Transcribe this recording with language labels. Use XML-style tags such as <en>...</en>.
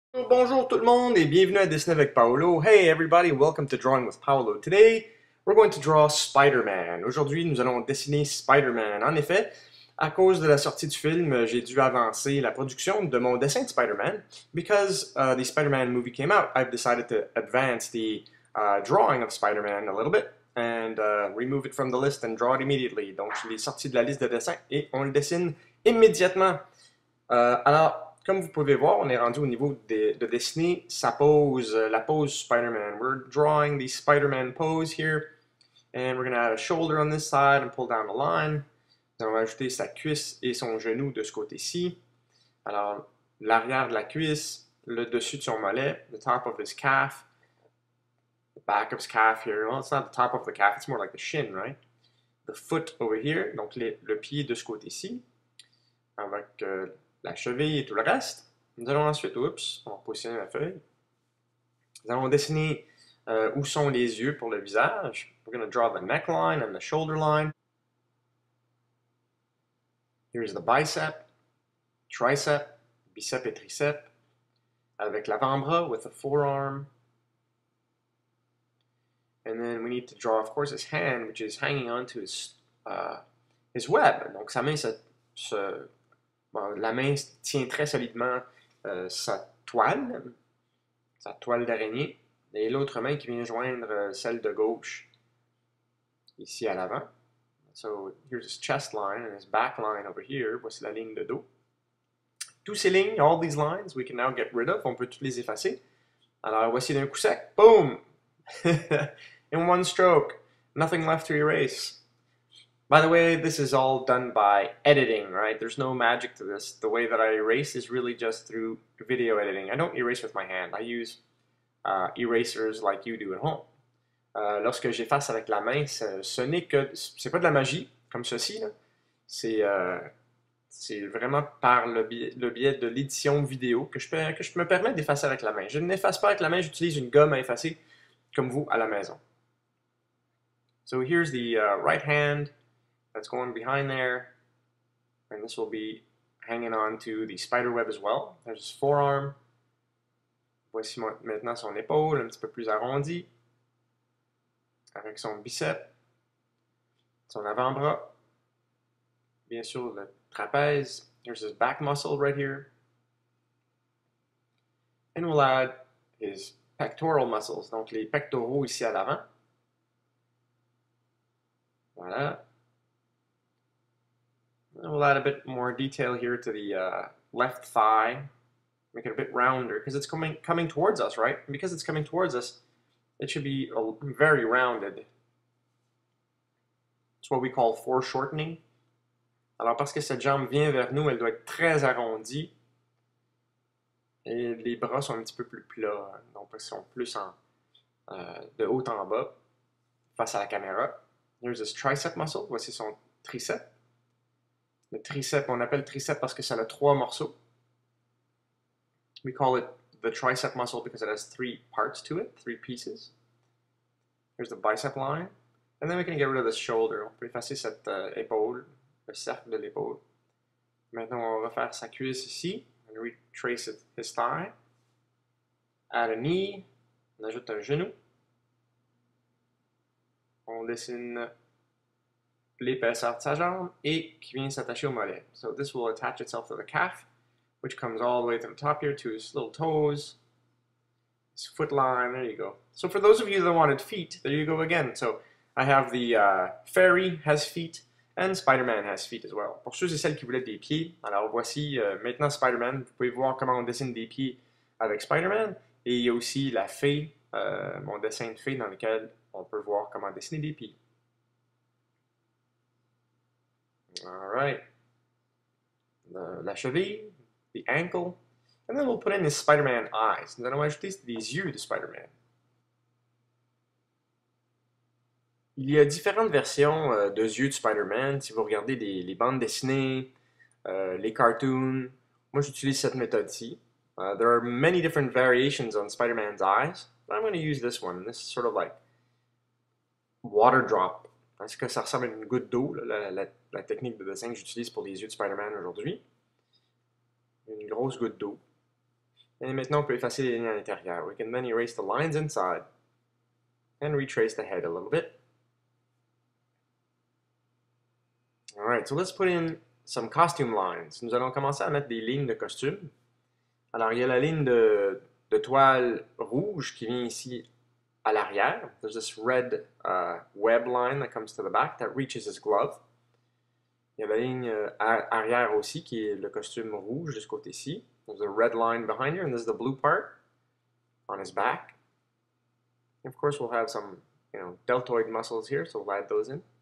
<fr>Bonjour tout le monde et bienvenue à Dessiner avec Paolo.</fr> <en>Hey everybody, welcome to Drawing with Paolo. Today, we're going to draw Spider-Man.</en> <fr>Aujourd'hui, nous allons dessiner Spider-Man. En effet, à cause de la sortie du film, j'ai dû avancer la production de mon dessin de Spider-Man.</fr> <en>Because the Spider-Man movie came out, I've decided to advance the drawing of Spider-Man a little bit and remove it from the list and draw it immediately.</en> <fr>Donc, je l'ai sorti de la liste de dessin et on le dessine immédiatement. Alors, comme vous pouvez voir, on est rendu au niveau de dessiner sa pose, la pose Spider-Man.</fr> <en>We're drawing the Spider-Man pose here. And we're going to add a shoulder on this side and pull down the line.</en> <fr>Then on va ajouter sa cuisse et son genou de ce côté-ci. Alors, l'arrière de la cuisse, le dessus de son mollet,</fr> <en>the top of his calf, the back of his calf here. Well, it's not the top of the calf, it's more like the shin, right? The foot over here,</en> <fr>donc le pied de ce côté-ci. Avec la cheville et tout le reste. Nous allons ensuite, oups, on va positionner la feuille. Nous allons dessiner où sont les yeux pour le visage.</fr> <en>We're going to draw the neckline and the shoulder line. Here's the bicep, tricep, bicep et tricep.</en> <fr>Avec l'avant-bras,</fr> <en>with the forearm. And then we need to draw, of course, his hand, which is hanging onto his web.</en> <fr>Donc sa main, bon, la main tient très solidement sa toile d'araignée, et l'autre main qui vient joindre celle de gauche, ici à l'avant.</fr> <en>So, here's his chest line and his back line over here,</en> <fr>voici la ligne de dos. Toutes ces lignes,</fr> <en>all these lines, we can now get rid of,</en> <fr>on peut toutes les effacer. Alors, voici d'un coup sec,</fr> <en>boom! In one stroke, nothing left to erase. By the way, this is all done by editing, right? There's no magic to this. The way that I erase is really just through video editing. I don't erase with my hand. I use erasers like you do at home.</en> <fr>Lorsque j'efface avec la main, c'est pas de la magie, comme ceci, là. C'est vraiment par le biais de l'édition vidéo que je me permets d'effacer avec la main. Je n'efface pas avec la main, j'utilise une gomme à effacer, comme vous, à la maison.</fr> <en>So here's the right hand. That's going behind there, and this will be hanging on to the spider web as well. There's his forearm.</en> <fr>Voici maintenant son épaule, un petit peu plus arrondie, avec son bicep, son avant-bras, bien sûr le trapèze.</fr> <en>There's his back muscle right here, and we'll add his pectoral muscles, donc les pectoraux ici à l'avant.</en> <fr>Voilà.</fr> <en>We'll add a bit more detail here to the left thigh, make it a bit rounder, because it's coming towards us, right? And because it's coming towards us, it should be very rounded. It's what we call foreshortening.</en> <fr>Alors, parce que cette jambe vient vers nous, elle doit être très arrondie. Et les bras sont un petit peu plus plats, donc ils sont plus de haut en bas, face à la caméra.</fr> <en>There's this tricep muscle,</en> <fr>voici son tricep. Le tricep, on appelle tricep parce que ça a trois morceaux.</fr> <en>We call it the tricep muscle because it has three parts to it, three pieces. Here's the bicep line. And then we can get rid of the shoulder.</en> <fr>On peut effacer cette épaule, le cercle de l'épaule. Maintenant, on va refaire sa cuisse ici.</fr> <en>And retrace it, his thigh.</en> <fr>Add a knee. On ajoute un genou. On dessine l'épaisseur de sa jambe et qui vient s'attacher au mollet.</fr> <en>So this will attach itself to the calf, which comes all the way to the top here, to his little toes, his foot line, there you go. So for those of you that wanted feet, there you go again. So I have the fairy has feet and Spider-Man has feet as well.</en> <fr>Pour ceux et celles qui voulaient des pieds, alors voici maintenant Spider-Man. Vous pouvez voir comment on dessine des pieds avec Spider-Man. Et il y a aussi la fée, mon dessin de fée dans lequel on peut voir comment dessiner des pieds.</fr> <en>All right,</en> <fr>la cheville,</fr> <en>the ankle, and then we'll put in the Spider-Man eyes.</en> <fr>Nous allons ajouter les yeux de Spider-Man. Il y a différentes versions de yeux de Spider-Man. Si vous regardez les bandes dessinées, les cartoons, moi j'utilise cette méthode-ci.</fr> <en>There are many different variations on Spider-Man's eyes, but I'm going to use this one. This is sort of like Water drop.</en> <fr>Est-ce que ça ressemble à une goutte d'eau, la technique de dessin que j'utilise pour les yeux de Spider-Man aujourd'hui. Une grosse goutte d'eau. Et maintenant, on peut effacer les lignes à l'intérieur.</fr> <en>We can then erase the lines inside. And retrace the head a little bit. Alright, so let's put in some costume lines.</en> <fr>Nous allons commencer à mettre des lignes de costume. Alors, il y a la ligne de toile rouge qui vient ici à l'arrière.</fr> <en>There's this red web line that comes to the back that reaches his glove.</en> <fr>Il y a la ligne arrière aussi qui est le costume rouge de ce côté-ci.</fr> <en>There's a red line behind here and this is the blue part on his back. And of course, we'll have some, you know, deltoid muscles here, so we'll add those in.</en>